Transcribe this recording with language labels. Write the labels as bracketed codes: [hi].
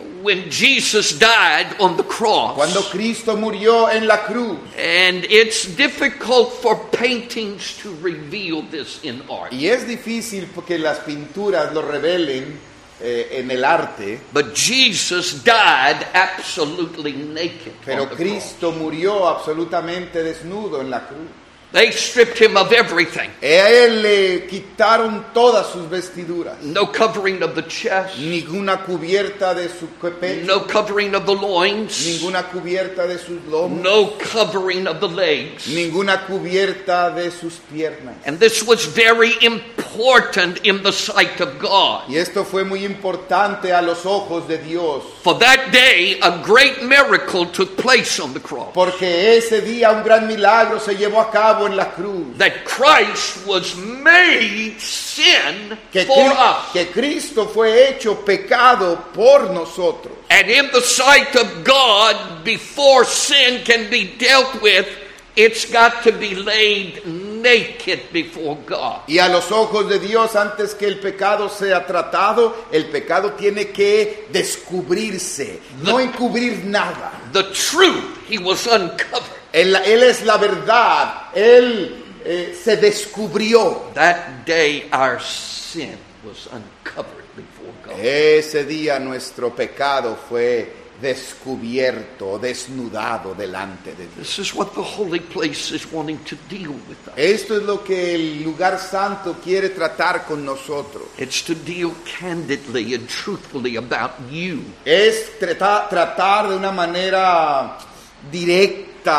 [en] When Jesus died on the cross. [es] Cuando Cristo murió en la cruz. [en] And it's difficult for paintings to reveal this in art. [es] Y es difícil porque las pinturas lo revelen. en el arte. [en] But Jesus died absolutely naked. [es] Pero Cristo murió absolutamente desnudo en la cruz. [en] They stripped him of everything. [es] A él le quitaron todas sus vestiduras. [en] No covering of the chest. [es] Ninguna cubierta de su pecho. [en] No covering of the loins. [es] Ninguna cubierta de sus lomos. [en] No covering of the legs. [es] Ninguna cubierta de sus piernas. [en] And this was very important in the sight of God. [es] Y esto fue muy importante a los ojos de Dios. [en] For that day, a great miracle took place on the cross. [es] Porque ese día un gran milagro se llevó a cabo. [en] That Christ was made sin for us. [es] Que Cristo fue hecho pecado por nosotros. [en] And in the sight of God, before sin can be dealt with, it's got to be laid naked before God. [es] Y a los ojos de Dios, antes que el pecado sea tratado, el pecado tiene que descubrirse, no encubrir nada. [en] The truth, he was uncovered. [es] Él es la verdad. Él se descubrió. [en] That day our sin was uncovered before God. [es] Ese día nuestro pecado fue descubierto, desnudado delante de Dios. [en] This is what the holy place is wanting to deal with us. [es] Esto es lo que el lugar santo quiere tratar con nosotros. [en] It's to deal candidly and truthfully about you. [es] Es tratar de una manera directa.